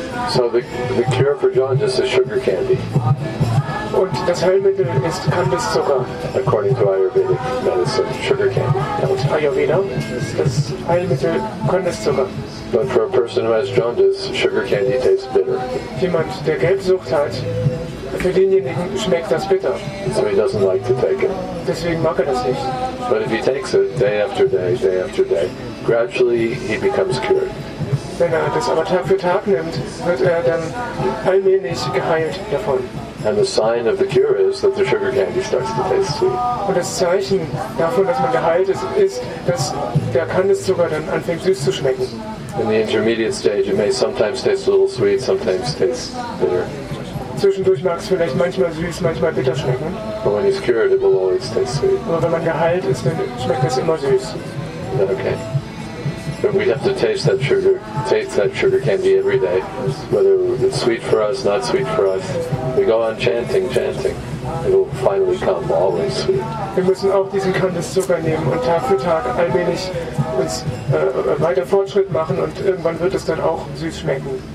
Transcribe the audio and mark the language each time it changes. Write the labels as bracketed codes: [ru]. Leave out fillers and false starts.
[en] So the cure for jaundice is sugar candy. [de] Und das Heilmittel ist Kandiszucker. [en] According to Ayurvedic medicine, sugar candy. [de] Und Ayurveda, das Heilmittel Kandiszucker. [en] But for a person who has jaundice, sugar candy tastes bitter. [de] Jemand, der Gelbsucht hat, für denjenigen schmeckt das bitter. [en] So he doesn't like to take it. [de] Deswegen mag er das nicht. [en] But if he takes it day after day, day after day, gradually he becomes cured. [de] Wenn er das aber Tag für Tag nimmt, wird er dann allmählich geheilt davon. [en] And the sign of the cure is that the sugar candy starts to taste sweet. [de] Und das Zeichen davon, dass man geheilt ist, ist, dass der Kandiszucker dann anfängt süß zu schmecken. [en] In the intermediate stage, it may sometimes taste a little sweet, sometimes taste bitter. [de] Zwischendurch mag es vielleicht manchmal süß, manchmal bitter schmecken. [en] But when he's cured, it will always taste sweet. [de] Aber wenn man geheilt ist, dann schmeckt es immer süß. [en] Yeah, okay. But we have to taste that sugar candy every day, whether it's sweet for us, not sweet for us. We go on chanting. It will finally come, always sweet. [de] Wir müssen auch diesen Kandiszucker nehmen und Tag für Tag allmählich uns weiter Fortschritt machen und irgendwann wird es dann auch süß schmecken.